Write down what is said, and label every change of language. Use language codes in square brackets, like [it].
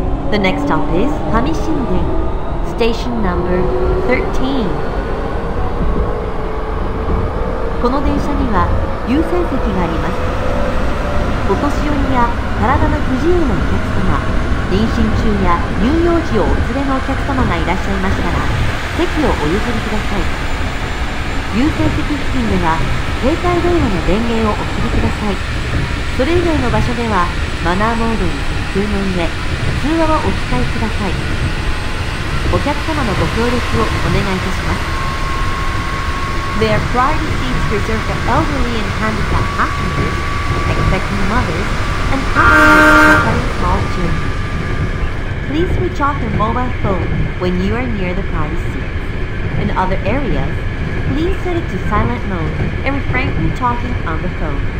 [en] The next stop is Kami-Shinden, station number 13. [ja] この電車には優先席があります。お年寄りや体の不自由なお客様、妊娠中や乳幼児をお連れのお客様がいらっしゃいましたら、席をお譲りください。優先席付近では携帯電話の電源をお切りください。それ以外の場所ではマナーモードに設定の上、通話をお控えください。お客様のご協力をお願いいたします。 [en] There are priority seats reserved for elderly and handicapped passengers, expecting mothers, and passengers carrying small children. Please switch off your mobile phone when you are near the priority seats. In other areas, please set it to silent mode and refrain from talking on the phone.